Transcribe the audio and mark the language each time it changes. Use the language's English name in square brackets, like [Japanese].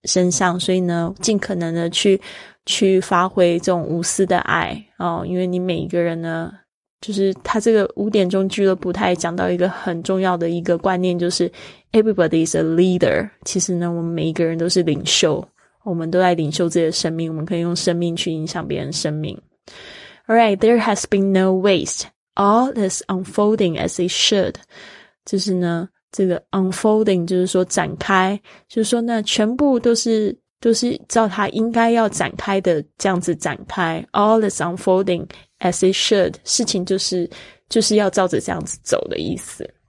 [Chinese] 上，所以呢，尽可能的去发挥这种无私的爱哦，因为你每一个人呢，就是他这个五点钟俱乐部他也讲到一个很重要的一个观念，就是 [English] everybody is a leader, [Chinese] 其实呢，我们每一个人都是领袖，我们都在领袖自己的生命，我们可以用生命去影响别人生命。 [English] Alright, there has been no waste. All is unfolding as it should. [Chinese] 就是呢，这个 unfolding 就是说展开，就是说呢，全部都是照它应该要展开的这样子展开。 [English] All is unfolding as it should. [Chinese] 事情就是要照着这样子走的意思。